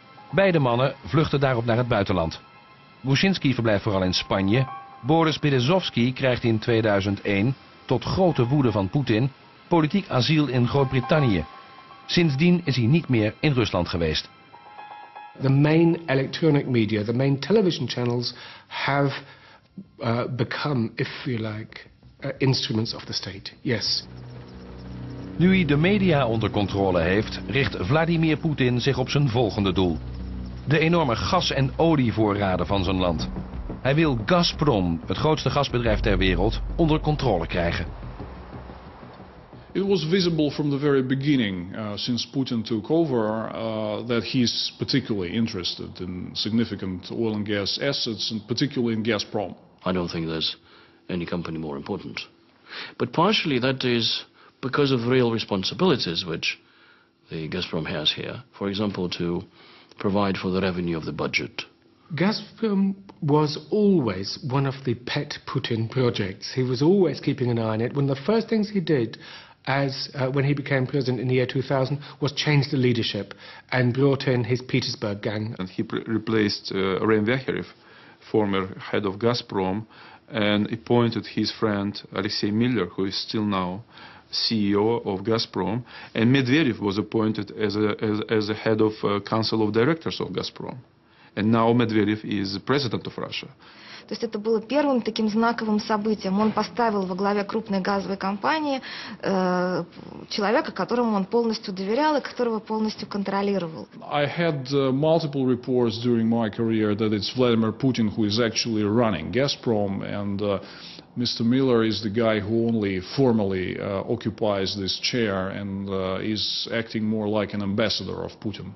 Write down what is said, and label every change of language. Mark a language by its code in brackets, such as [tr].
[nl] Beide mannen vluchten daarop naar het buitenland. Kuczynski verblijft vooral in Spanje. Boris Berezovsky krijgt in 2001, tot grote woede van Poetin, politiek asiel in Groot-Brittannië. Sindsdien is hij niet meer in Rusland geweest. [en] The main electronic media, the main television channels have become, if you like, instruments of the state. Yes. [nl] Nu hij de media onder controle heeft, richt Vladimir Poetin zich op zijn volgende doel. De enorme gas- en olievoorraden van zijn land. Hij wil Gazprom, het grootste gasbedrijf ter wereld, onder controle krijgen. [en] It was visible from the very beginning, since Putin took over, that he's particularly interested in significant oil and gas assets, and particularly in Gazprom. I don't think there's any company more important. But partially that is because of real responsibilities which the Gazprom has here. For example, to provide for the revenue of the budget. Gazprom was always one of the pet Putin projects. He was always keeping an eye on it. One of the first things he did when he became president in the year 2000 was change the leadership and brought in his Petersburg gang. And he replaced Rein Vekharev, former head of Gazprom, and appointed his friend Alexei Miller, who is still now CEO of Gazprom, and Medvedev was appointed as a head of Council of Directors of Gazprom. And now Medvedev is president of Russia. [ru] То есть это было первым таким знаковым событием. Он поставил во главе крупной газовой компании человека, которому он полностью доверял и которого полностью контролировал. [en] I had multiple reports during my career that it's Vladimir Putin who is actually running Gazprom, and Mr. Miller is the guy who only formally occupies this chair and is acting more like an ambassador of Putin.